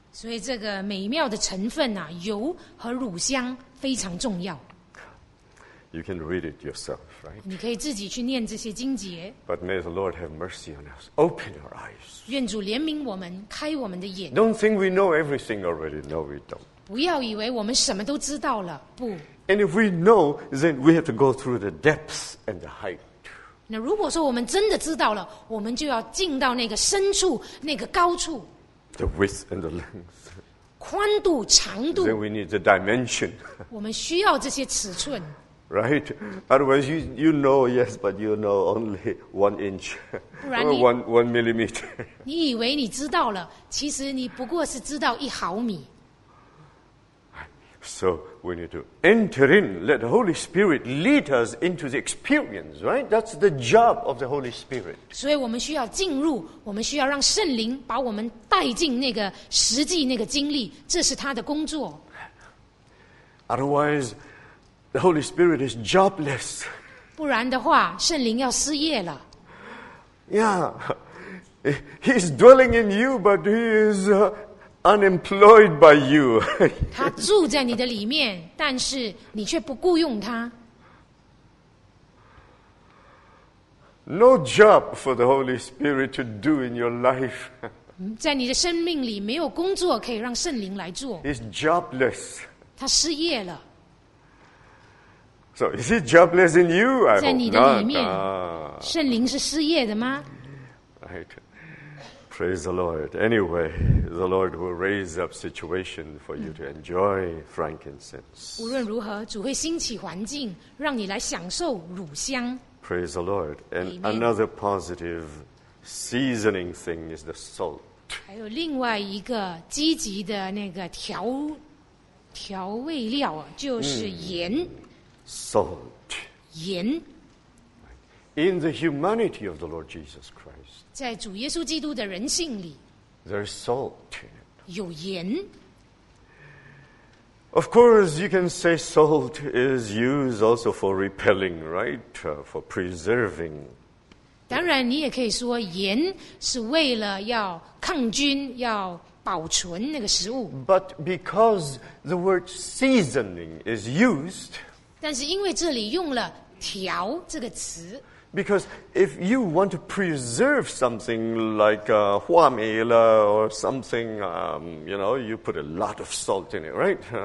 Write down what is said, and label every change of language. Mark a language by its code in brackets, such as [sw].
[zh] 所以这个美妙的成分啊，油和乳香非常重要。 [en] You can read it yourself, right? [zh] 你可以自己去念这些经节。 [en] But may the Lord have mercy on us. Open our eyes. [zh] 愿主怜悯我们，开我们的眼。 [en] Don't think we know everything already. No, we don't. [zh] 不要以为我们什么都知道了，不。 [en] And if we know, then we have to go through the depths and the height. [zh] 那如果说我们真的知道了，我们就要进到那个深处，那个高处。 [en] The width and the length. [zh] 宽度、长度。 [en] Then we need the dimension. [zh] 我们需要这些尺寸。 [en] Right? Otherwise, you know, yes, but you know only 1 inch. [zh] 不然你 [en] one millimeter. [zh] 你以为你知道了，其实你不过是知道一毫米。 [en] So we need to enter in, let the Holy Spirit lead us into the experience, right? That's the job of the Holy Spirit. [zh] 所以我们需要进入，我们需要让圣灵把我们带进那个实际那个经历，这是他的工作。 [en] Otherwise, the Holy Spirit is jobless. [zh] 不然的话，圣灵要失业了。 [en] Yeah, he's dwelling in you, but he is unemployed by you. [zh] 他住在你的里面，但是你却不雇用他。 [en] No job for the Holy Spirit to do in your life. [zh] 在你的生命里没有工作可以让圣灵来做。 [en] He's jobless. [zh] 他失业了。 [en] So is he jobless in you? [zh] 在你的里面，圣灵是失业的吗？ [en] Right. Praise the Lord. Anyway, the Lord will raise up situation for you to enjoy frankincense. [zh] 无论如何，主会兴起环境，让你来享受乳香。 [en] Praise the Lord. And another positive seasoning thing is the salt. [zh] 还有另外一个积极的那个调味料啊，就是盐。 [en] Salt. [zh] 盐。 [en] In the humanity of the Lord Jesus Christ, [zh] 在主耶稣基督的人性里 [en] there is salt in it. [zh] 有盐。 [en] Of course, you can say salt is used also for repelling, right? For preserving. [zh] 当然，你也可以说盐是为了要抗菌、要保存那个食物。 [en] But because the word seasoning is used, [zh] 但是因为这里用了调这个词。 [en] Because if you want to preserve something like hua mei or something, you know, you put a lot of salt in it, right?